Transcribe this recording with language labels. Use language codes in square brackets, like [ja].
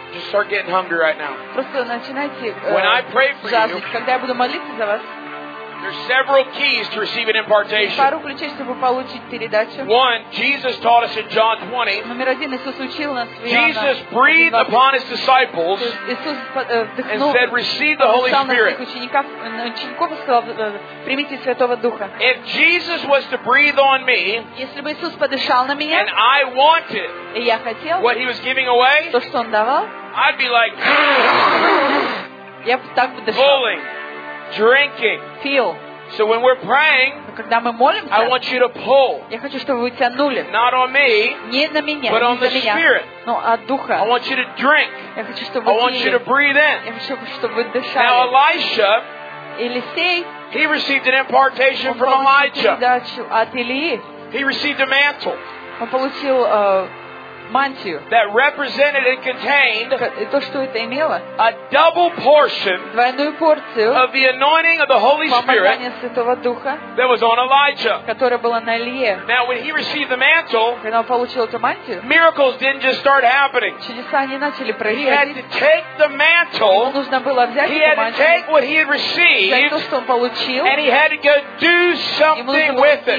[en] Start getting hungry right now. [ru] Просто начинайте. [en] When I pray for you, [ru] когда я буду молиться за вас, [en] there's several keys to receive an impartation. [ru] Пару ключей, чтобы получить передачу. [en] One, Jesus taught us in John 20. [ru] Номер один, Иисус учил нас. [en] Jesus breathed upon his disciples and said, "Receive the Holy Spirit." [ru] Учеников сказал, примите Святого Духа. [en] If Jesus was to breathe on me, [ru] если бы Иисус подышал на меня, [en] and I wanted, [ru] и я хотел, [en] what he was giving away, [ru] то что он давал, [en] I'd be like, [ru] я бы так подышал. [en] Bowling. Drinking. Feel. So when we're praying, [ru] когда мы молимся, [en] I want you to pull. [ru] Я хочу, чтобы вы тянули. [en] Not on me, [ru] не на меня, [en] but [ru] не [en] on the [ru] меня, [en] Spirit. [ru] Но от Духа. [en] I want you to drink. [ru] Я хочу, чтобы вы пили. [en] I want you to breathe in. [ru] Я хочу, чтобы вы дышали. [en] Now Elisha, [ru] Елисей, [en] he received an impartation from Elijah. [ru] Передачу от Илии. [en] He received a mantle. [ru] Он получил мантию. [en] That represented and contained [ru] то, что это имело, [en] a double portion, [ru] двойную порцию, [en] of the anointing of the Holy Spirit, [ru] помазания Святого Духа, [en] that was on Elijah. [ru] Которая была на Илье. [en] Now when he received the mantle, [ru] когда он получил эту мантию, [en] miracles didn't just start happening. [ru] Чудеса не начали происходить. [en] He had to take the mantle, [ru] ему нужно было взять эту мантию, [en] he had to take what he had received, [ru] взять то, что он получил, [en] and he had to go do something with it.